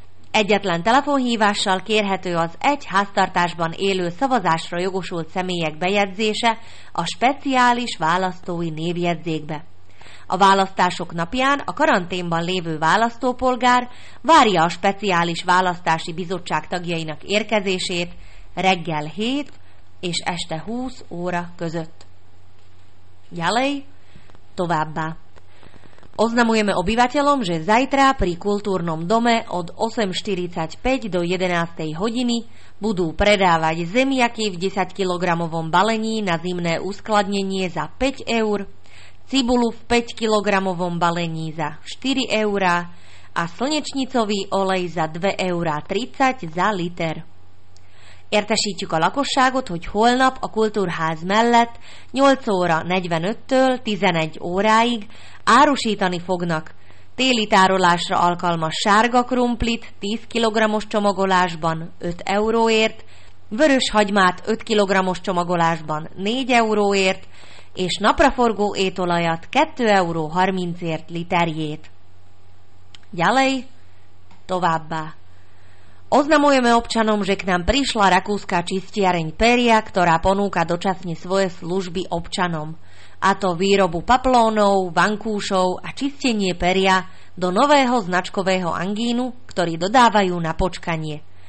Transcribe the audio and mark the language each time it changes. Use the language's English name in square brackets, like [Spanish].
[Hungarian] Egyetlen telefonhívással kérhető az egy háztartásban élő szavazásra jogosult személyek bejegyzése a speciális választói névjegyzékbe. A választások napján a karanténban lévő választópolgár várja a speciális választási bizottság tagjainak érkezését reggel 7 és este 20 óra között. [Slovak] Ďalej, [Hungarian] továbbá. [Slovak] Oznamujeme obyvateľom, že zajtra pri kultúrnom dome od 8.45 do 11. hodiny budú predávať zemiaky v 10-kilogramovom balení na zimné uskladnenie za 5 eur, cibulu v 5-kilogramovom balení za 4 eurá a slnečnicový olej za 2,30 € za liter. [Hungarian] Értesítjük a lakosságot, hogy holnap a kultúrház mellett 8 óra 45-től 11 óráig árusítani fognak téli tárolásra alkalmas sárga krumplit 10 kg-os csomagolásban 5 euróért, vörös hagymát 5 kg-os csomagolásban 4 euróért, és napraforgó étolajat 2,30 € literjét. [Slovak] Ďalej, [Hungarian] továbbá. [Slovak] Oznamujeme občanom, že k nám prišla rakúska čistiareň Peria, ktorá ponúka dočasne svoje služby občanom, a to výrobu paplónov, vankúšov a čistenie peria do nového značkového angínu, ktorý dodávajú na počkanie.